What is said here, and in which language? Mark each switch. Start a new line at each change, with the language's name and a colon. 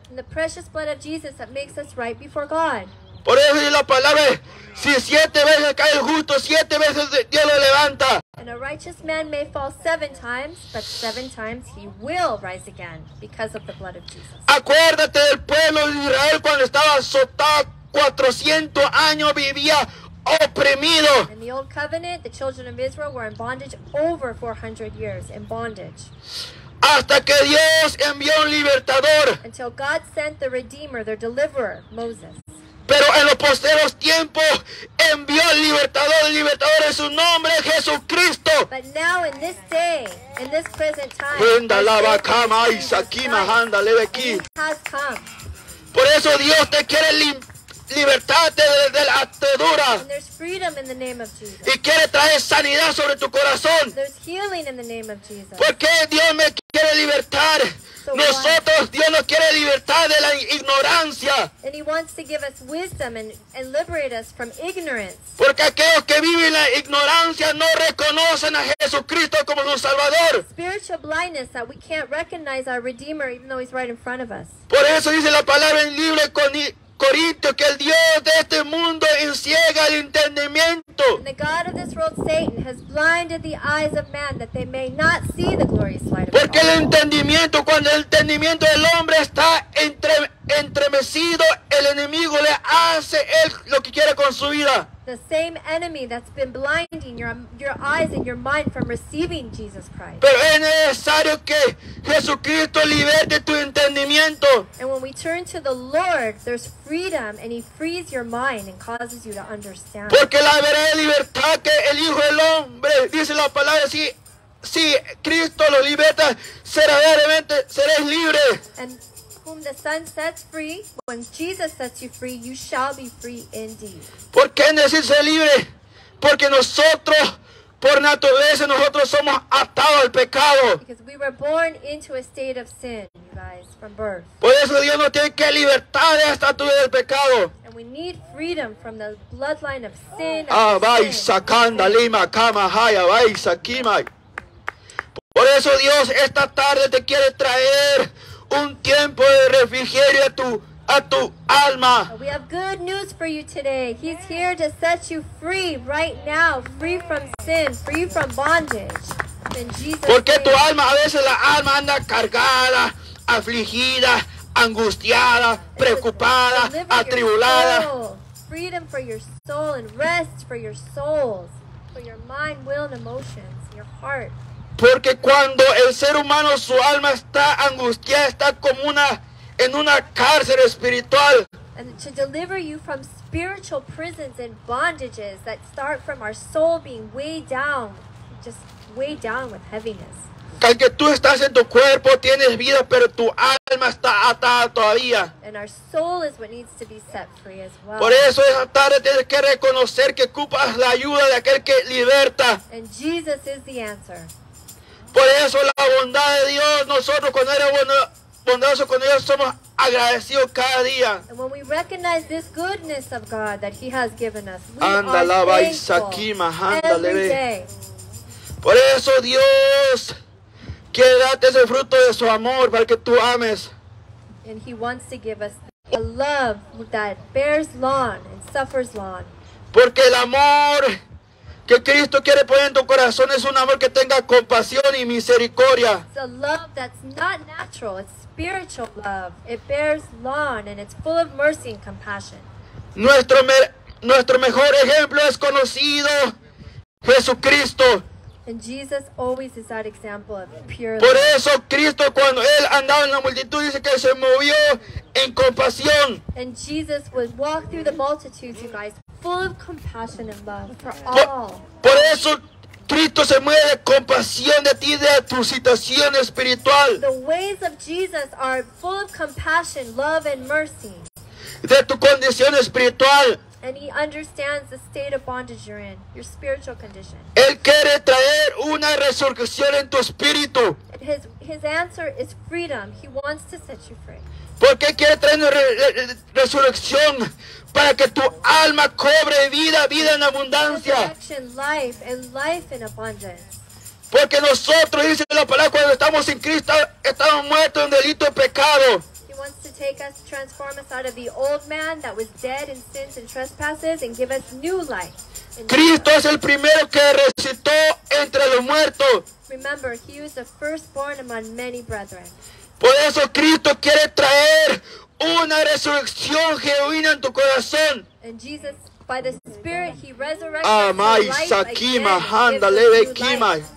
English: And the precious blood of Jesus that makes us right before God.
Spanish: Por eso la palabra, si siete veces cae el justo, siete veces Dios lo levanta.
English: And a righteous man may fall seven times, but seven times he will rise again because of the blood of Jesus.
Spanish: Acuérdate del pueblo de Israel cuando estaba azotado, 400 años vivía oprimido.
English: In the old covenant, the children of Israel were in bondage over 400 years, in bondage.
Spanish: Hasta que Dios envió un libertador.
English: Until God sent the Redeemer, their deliverer, Moses.
Spanish: Pero en los posteriores tiempos envió el libertador, en su nombre, Jesucristo.
English: But now in this day, in this present time, venda la vaca, maíz, aquí, majanda, leve aquí.
Spanish: Por eso Dios te quiere libertarte de la atadura.
English: And there's freedom in the name of Jesus.
Spanish: Y quiere traer sanidad sobre tu corazón.
English: There's healing in the name of Jesus.
Spanish: Porque Dios me quiere libertar.
English: So
Spanish: nosotros,
English: why?
Spanish: Dios nos quiere libertar de la ignorancia.
English: And he wants to give us wisdom and liberate us from ignorance.
Spanish: Porque aquellos que viven la ignorancia no reconocen a Jesucristo como su Salvador.
English: Spiritual blindness, that we can't recognize our Redeemer even though he's right in front of us.
Spanish: Por eso dice la palabra en libre con Corinto, que el Dios de este mundo enciega el entendimiento.
English: And the God of this world, Satan, has blinded the eyes of man that they may not see the glorious light of God.
Spanish: Porque el entendimiento, cuando el entendimiento del hombre está entremecido, el enemigo le hace él lo que quiere con su vida.
English: The same enemy that's been blinding your eyes and your mind from receiving Jesus Christ.
Spanish: Pero es necesario que Jesucristo liberte tu entendimiento.
English: And when we turn to the Lord, there's freedom and he frees your mind and causes you to understand.
Spanish: Porque la verdadera libertad que el Hijo del Hombre, dice la palabra, sí. Si Cristo lo liberta, verdaderamente serás libre.
English: And whom the Son sets free, when Jesus sets you free, you shall be free indeed.
Spanish: ¿Por qué necesitas ser libre? Porque nosotros, por naturaleza, nosotros somos atados al pecado.
English: Because we were born into a state of sin, you guys, from birth.
Spanish: Por eso Dios nos tiene que libertar de esta atadura del pecado.
English: And we need freedom from the bloodline of sin. Ah, vaisa, kanda, lima, kama, haya, vaisa, kima.
Spanish: Por eso Dios esta tarde te quiere traer un tiempo de refrigerio a tu alma.
English: We have good news for you today. He's here to set you free right now, free from sin, free from bondage. In Jesus.
Spanish: Porque
English: name.
Spanish: Tu alma, a veces la alma anda cargada, afligida, angustiada, preocupada, atribulada.
English: Freedom for your soul and rest for your souls, for your mind, will, and emotions, your heart.
Spanish: Porque cuando el ser humano, su alma está angustiada, está como una, en una cárcel espiritual.
English: and to deliver you from spiritual prisons and bondages that start from our soul being weighed down, just weighed down with heaviness.
Spanish: Aunque tú estás en tu cuerpo, tienes vida, pero tu alma está atada todavía.
English: And our soul is what needs to be set free as well.
Spanish: Por eso esa tarde tienes que reconocer que ocupas la ayuda de aquel que liberta.
English: And Jesus is the answer.
Spanish: Por eso la bondad de Dios, nosotros cuando eres bondadosos con Dios, somos agradecidos cada día.
English: And when we recognize this goodness of God that he has given us, we andala, are thankful andale, every day.
Spanish: Por eso Dios quiere darte ese fruto de su amor para que tú ames.
English: And he wants to give us a love that bears long and suffers long.
Spanish: Porque el amor que Cristo quiere poner en tu corazón es un amor que tenga compasión y misericordia.
English: It's a love that's not natural, it's spiritual love. It bears long and it's full of mercy and compassion.
Spanish: Nuestro mejor ejemplo es conocido, Jesucristo.
English: And Jesus always is that example of pure love.
Spanish: Por eso Cristo cuando él andaba en la multitud dice que se movió en compasión.
English: And Jesus would walk through the multitudes, you guys, full of compassion and love for all.
Spanish: Por eso Cristo se mueve de compasión de ti, de tu situación espiritual.
English: The ways of Jesus are full of compassion, love and mercy.
Spanish: De tu condición espiritual.
English: And he understands the state of bondage you're in, your spiritual condition.
Spanish: Él quiere traer una resurrección en tu espíritu.
English: His answer is freedom. He wants to set you free.
Spanish: ¿Por qué quiere traer resurrección? Para que tu alma cobre vida, vida en abundancia.
English: Resurrection, life, and life in abundance.
Spanish: Porque nosotros, dice la palabra, cuando estamos en Cristo, estamos muertos en delito y pecado.
English: Wants to take us, transform us out of the old man that was dead in sins and trespasses and give us new life.
Spanish: Cristo es el primero que resucitó entre los muertos.
English: Remember, he was the firstborn among many brethren.
Spanish: Por eso Cristo quiere traer una resurrección genuina en tu corazón.
English: And Jesus, by the Spirit, he resurrects life again.